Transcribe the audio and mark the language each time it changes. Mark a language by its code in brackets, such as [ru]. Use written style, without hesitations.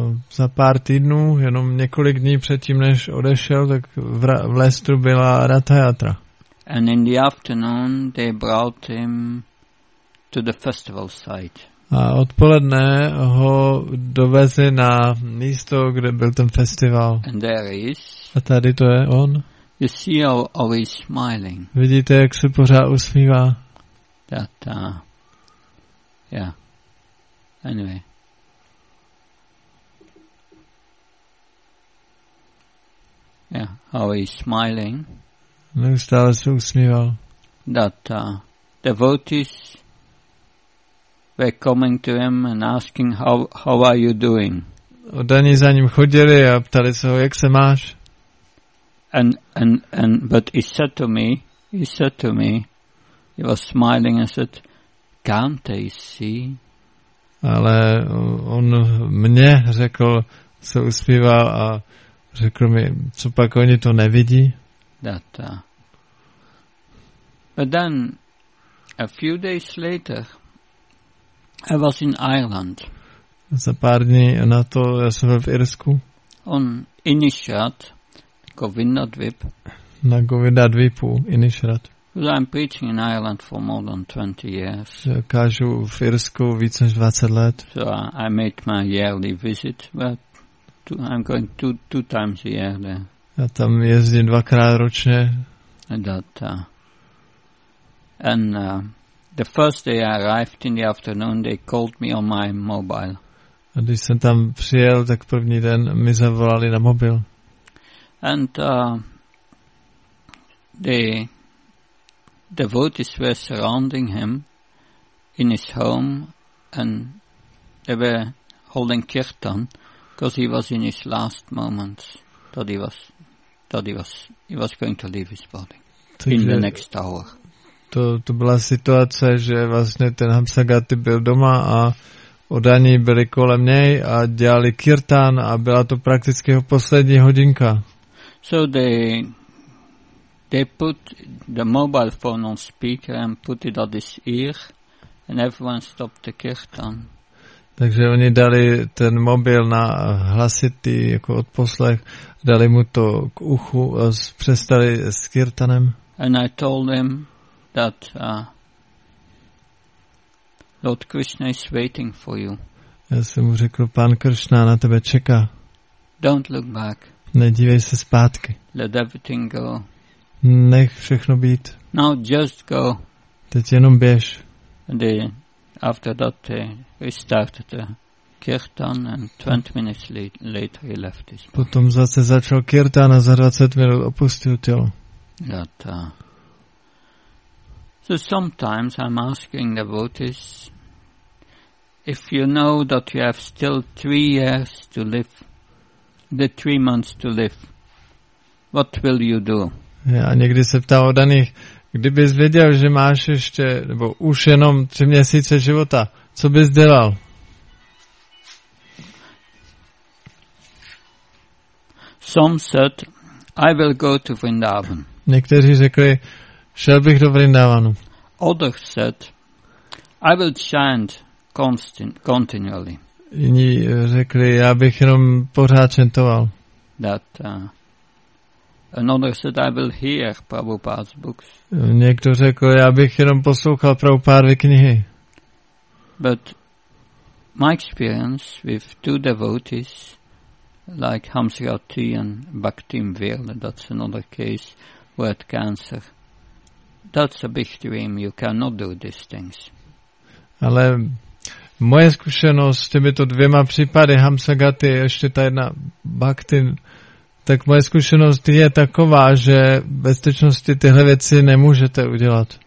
[cs] Za pár týdnů, jenom několik dní předtím, než odešel, tak v Leicesteru byla Ratha Yatra. [en] And in the afternoon, they brought him to the festival site. [cs] A odpoledne ho dovezli na místo, kde byl ten festival. [en] And there he is. [cs] A tady to je on. [en] You see how he's smiling. [cs] Vidíte, jak se pořád usmívá. [en] That, yeah. Anyway. Yeah, how he's smiling. [cs] Neustále se usmíval. [en] That, devotees were coming to him and asking how are you doing. [cs] Oddaní za ním chodili a ptali se ho, jak se máš. [en] And but he said to me, he was smiling and said, can't they see? [cs] Ale on mě řekl, se usmíval a řekl mi, co pak oni to nevidí? [en] That, but then, a few days later, I was in Ireland. [cs] Za pár dní na to, já jsem byl v Irsku. [en] On Inishad. Govindadvip. [cs] Na Govindadvipu, Inishrad. [en] I'm preaching in Ireland for more than 20 years. [cs] Kážu v Irsku více než 20 let. [en] So I make my yearly visit, but I'm going two times a year there. [cs] Já tam jezdím dvakrát ročně. [en] And the first day I arrived in the afternoon, they called me on my mobile. [cs] A když jsem tam přijel, tak první den mi zavolali na mobil. [en] And they devotees were surrounding him in his home and they were holding kirtan because he was in his last moments that he was going to leave his body. [cs] Takže [en] in the next hour. [cs] To byla situace, že vlastně ten Hamsagati byl doma a odaní byli kolem něj a dělali kirtan a byla to prakticky jeho poslední hodinka. [en] So they put the mobile phone on speaker and put it at his ear and everyone stopped the kirtan. [cs] Takže oni dali ten mobil na hlasitý jako odposlech, dali mu to k uchu a přestali s kirtanem. [en] And I told him that Lord Krishna is waiting for you. [cs] Já jsem mu řekl, pán Krishna na tebe čeká. [en] Don't look back. [cs] Nedívej se zpátky. [en] Let everything go. [cs] Nech všechno být. [en] Now just go. [cs] Teď jenom běž. [en] And after that he started the kirtan and 20 minutes later he left his body. [cs] Potom zase začal kirtan a za 20 minut opustil tělo. [en] That, so sometimes I'm asking the devotees, if you know that you have still 3 years to live, the 3 months to live, what will you do? [cs] Já někdy se ptám o daných, kdybys věděl, že máš ještě, nebo už jenom 3 měsíce života, co bys dělal? [en] Some said, I will go to Vrindavan. [cs] Někteří řekli, šel bych do Vrindavanu. [en] Others said, I will chant continually. [cs] Jiní řekli, já bych jenom pořád chantoval. [en] That, another said, I will hear Prabhupada's books. [cs] Někdo řekl, já bych jenom poslouchal Prabhupádovy knihy. [en] But my experience with 2 devotees, like Hamsrati and Bhaktim Virle, that's another case, who had cancer. That's a big dream. You cannot do these things. [cs] Ale moje zkušenost s těmito 2 případy, Hamsagati, ještě ta jedna Bhaktin, tak moje zkušenost je taková, že ve skutečnosti tyhle věci nemůžete udělat.